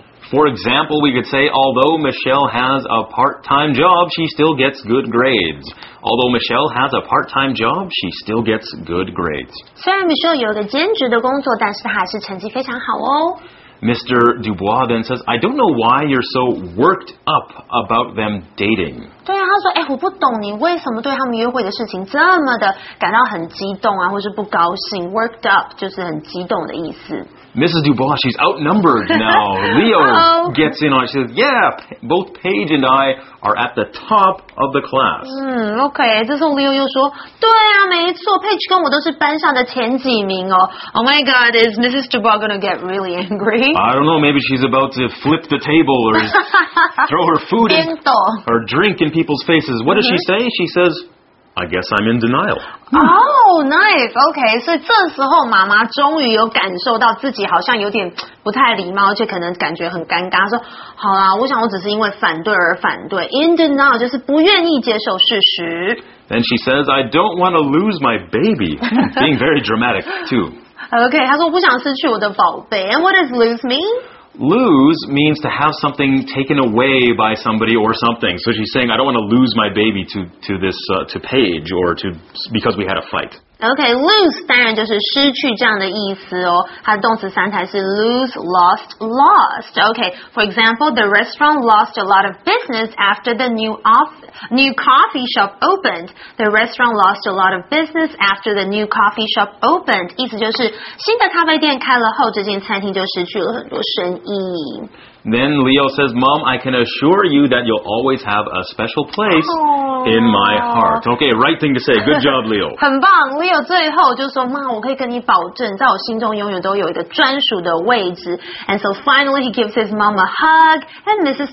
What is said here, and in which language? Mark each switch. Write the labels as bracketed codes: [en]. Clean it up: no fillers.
[en] For example, we could say, although Michelle has a part-time job, she still gets good grades. Although Michelle has a part-time job, she still gets good grades. [zh] 虽然 Michelle 有一个兼职的工作，但是她还是成绩非常好哦。 [en] Mr. Dubois then says, I don't know why you're so worked up about them dating. [zh] 对啊，他说，哎，我不懂你为什么对他们约会的事情这么的感到很激动啊，或是不高兴。 Worked up 就是很激动的意思。 [en] Mrs. Dubois, she's outnumbered now. Leo gets in on it. She says, yeah, both Paige and I are at the top of the class. [zh] OK, 这时候 Leo 又说对啊没错 Paige 跟我都是班上的前几名哦。 [en] Oh my god, is Mrs. Dubois going to get really angry? I don't know, maybe she's about to flip the table or throw her food in, or drink in people's faces. What does she say? She says... I guess I'm in denial. Oh, nice. Okay, so [zh] 这时候妈妈终于有感受到自己好像有点不太礼貌，而且可能感觉很尴尬。说，好啦，我想我只是因为反对而反对。 In denial 就是不愿意接受事实。 [en] Then she says, I don't want to lose my baby. Being very dramatic, too. [zh] Okay, 她说我不想失去我的宝贝。 [en] And what does lose mean? Lose means to have something taken away by somebody or something. So she's saying, I don't want to lose my baby to Paige or to, because we had a fight. [zh] Okay, lose 当然就是失去这样的意思哦。它的动词三态是 lose, lost, lost. [en] Okay, for example, the restaurant lost a lot of business after the new coffee shop opened. The restaurant lost a lot of business after the new coffee shop opened. [zh] 意思就是新的咖啡店开了后，这间餐厅就失去了很多生意。 [en] Then Leo says, Mom, I can assure you that you'll always have a special place in my heart. Okay, right thing to say. Good job, Leo. [zh] 很棒 Leo 最后就说 Mom, 我可以跟你保证在我心中永远都有一个专属的位置 [en] And so finally he gives his mom a hug And Mrs.